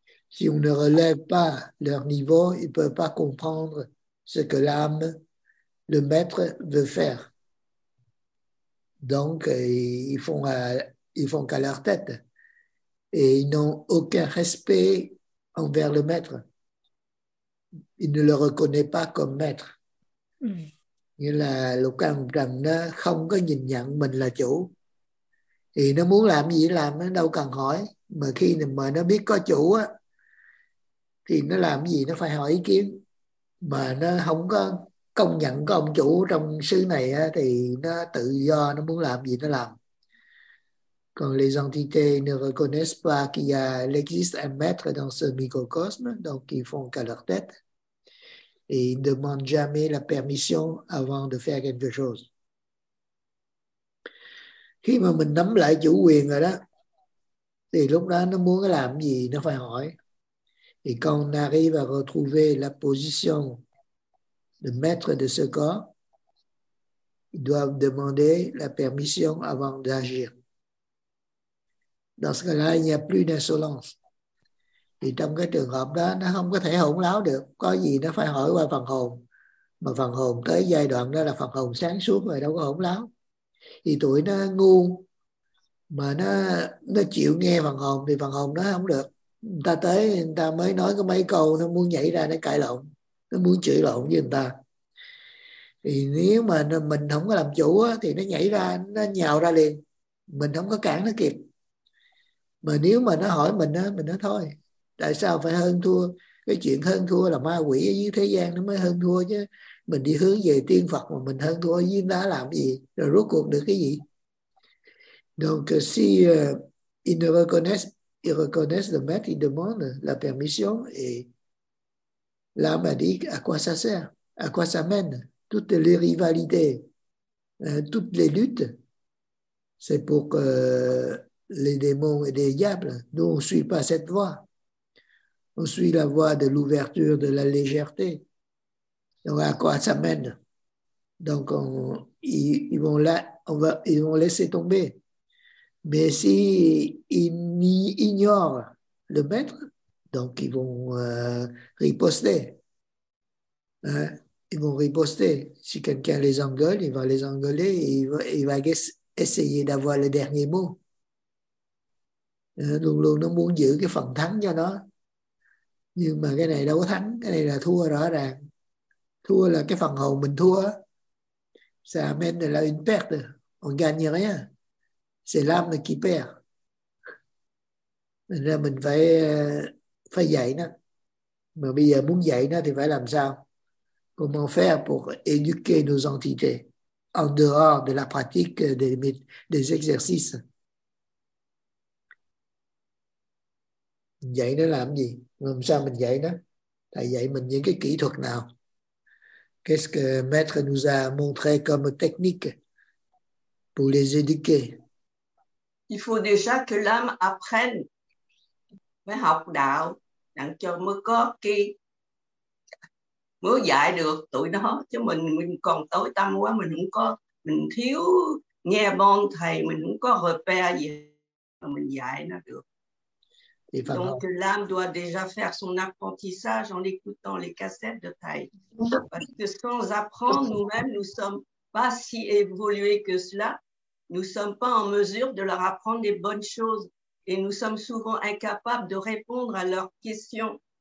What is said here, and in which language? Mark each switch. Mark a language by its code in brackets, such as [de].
[fr] Si on ne relève pas leur niveau, ils ne peuvent pas comprendre ce que l'âme, le maître, veut faire. Donc, ils font qu'à leur tête. Et ils n'ont aucun respect envers le maître. Ils ne le reconnaissent pas comme maître. [vi] Nghĩa là lục căn trần nó không có nhìn nhận mình là chủ. Thì nó muốn làm gì làm, nó đâu cần hỏi. Mà khi mà nó biết có chủ á, thì nó làm gì nó phải hỏi ý kiến. Mà nó không có công nhận có ông chủ trong xứ này á, thì nó tự do, nó muốn làm gì nó làm. Còn [fr] les entités ne reconnaissent pas qu'il existe un maître dans ce microcosme, donc ils font qu'à leur tête. Et ils ne demandent jamais la permission avant de faire quelque chose. [vi] Khi mà mình nắm lại chủ quyền rồi đó, thì lúc đó nó muốn làm gì nó phải hỏi. [fr] Et quand on arrive à retrouver la position de maître de ce corps, ils doivent demander la permission avant d'agir. Dans ce cas-là, il n'y a plus d'insolence. [vi] Thì trong cái trường hợp đó, nó không có thể hỗn láo được. Có gì nó phải hỏi qua phần hồn. Mà phần hồn tới giai đoạn đó là phần hồn sáng suốt rồi, đâu có hỗn láo. Thì tụi nó ngu, mà nó chịu nghe phần hồn, thì phần hồn nói không được. Người ta tới, người ta mới nói có mấy câu, nó muốn nhảy ra, nó cãi lộn. Nó muốn chửi lộn với người ta. Thì nếu mà mình không có làm chủ, thì nó nhảy ra, nó nhào ra liền. Mình không có cản nó kịp. Mà nếu mà nó hỏi mình nói thôi. Tại sao phải hơn thua? Cái chuyện hơn thua là ma quỷ ở dưới thế gian nó mới hơn thua chứ. Mình đi hướng về tiên Phật mà mình hơn thua dưới đá làm gì? Rồi rốt cuộc được cái gì? [fr] Donc, si ils ne reconnaissent le maître, ils demandent la permission et l'âme a dit à quoi ça sert, à quoi ça mène. Toutes les rivalités, toutes les luttes, c'est pour que les démons et les diables, nous, on ne suit pas cette voie. On suit la voie de l'ouverture, de la légèreté. Donc, à quoi ça mène? Donc, ils vont laisser tomber. Mais s'ils ignorent le maître, donc ils vont riposter. Hein? Ils vont riposter. Si quelqu'un les engueule, il va les engueuler et il va essayer d'avoir le dernier mot. [vi] Luôn luôn nó muốn giữ cái phần thắng cho nó. Nhưng mà cái này đâu có thắng, cái này là thua rõ ràng. Thua là cái phần hồn mình thua. [fr] Ça amène de la une perte. On gagne rien. C'est l'âme qui perd. [vi] Nên là mình phải dạy nó. Mà bây giờ muốn dạy nó thì phải làm sao? [fr] Comment faire pour éduquer nos entités en dehors de la pratique des exercices? [vi] Mình dạy nó làm gì? Làm sao mình dạy nó? Thầy dạy mình những cái kỹ thuật nào? [fr] Qu'est-ce que maître nous a montré comme technique pour les éduquer? Il faut déjà que l'âme apprenne, [vi] mới học đạo, đặng cho mới có cái, mới dạy được tụi nó. Chứ mình còn tối tăm quá, mình không có, mình thiếu nghe bon thầy, mình không có repair gì. mình dạy nó được. [fr] Donc l'âme doit déjà faire son apprentissage en écoutant les cassettes de thầy. Parce que sans apprendre nous-mêmes, nous sommes pas si évolués que cela. Nous sommes pas en mesure de leur apprendre les bonnes choses et nous sommes souvent incapables de répondre à leurs questions.